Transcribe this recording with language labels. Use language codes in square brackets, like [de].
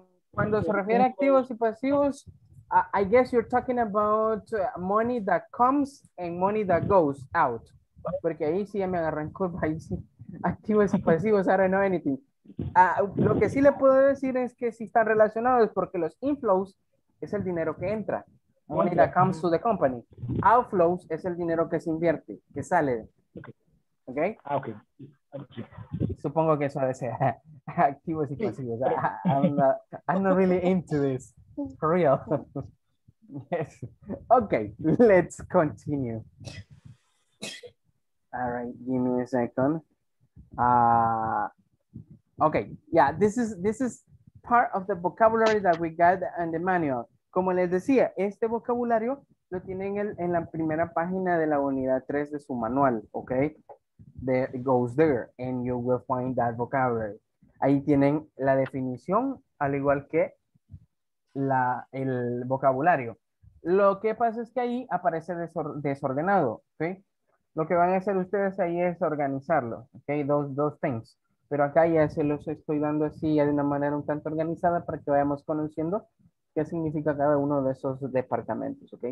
[es] Cuando se refiere a activos y pasivos, [en] I guess you're talking about money that comes and money that goes out. [es] Porque ahí sí ya me agarró en curva. Ahí sí. Activos y pasivos, [en] I don't know anything. [es] Lo que sí le puedo decir es que sí están relacionados porque los inflows es el dinero que entra. [en] Money that comes to the company. [es] Outflows es el dinero que se invierte, que sale. Okay. Okay. Okay. Supongo que eso desea. [en] Activos y pasivos. I'm not really into this. For real. Yes. Okay, let's continue. All right, give me a second. Okay, yeah, this is part of the vocabulary that we got in the manual. [es] Como les decía, este vocabulario lo tienen en la primera página de la unidad 3 de su manual, okay? [en] It goes there, and you will find that vocabulary. [es] Ahí tienen la definición, al igual que el vocabulario. Lo que pasa es que ahí aparece desordenado, ¿ok? Lo que van a hacer ustedes ahí es organizarlo, ¿ok? Dos things. Pero acá ya se los estoy dando así, ya de una manera un tanto organizada para que vayamos conociendo qué significa cada uno de esos departamentos, ¿ok?